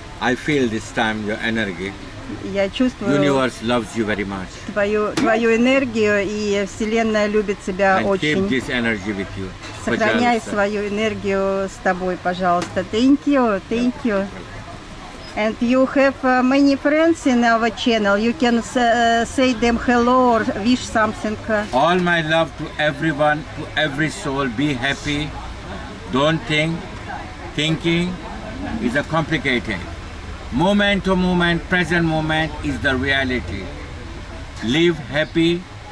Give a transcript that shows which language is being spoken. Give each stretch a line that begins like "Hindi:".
English: I feel this time your energy.
Russian: Я чувствую.
English: Universe loves you very much.
Russian: Твою энергию, и Вселенная любит тебя очень.
English: And keep this energy with you.
Russian: Сохраняй свою энергию с тобой, пожалуйста.
English: Thank you. And you have many friends in our channel. You can say them hello or wish something. All my love to everyone, to every soul. Be happy. Don't think. Thinking is a complicated. Moment to moment, present moment is the reality. Live happy.